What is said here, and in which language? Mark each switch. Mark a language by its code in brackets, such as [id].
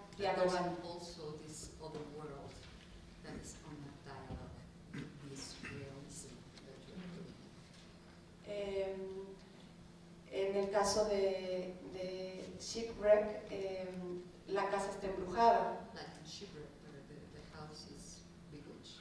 [en] There's also this other world that is on the dialogue, this realism that you're doing. [es] En el caso de Shipwreck, la casa está embrujada. [en] Like in Shipwreck, where the house is bewitched.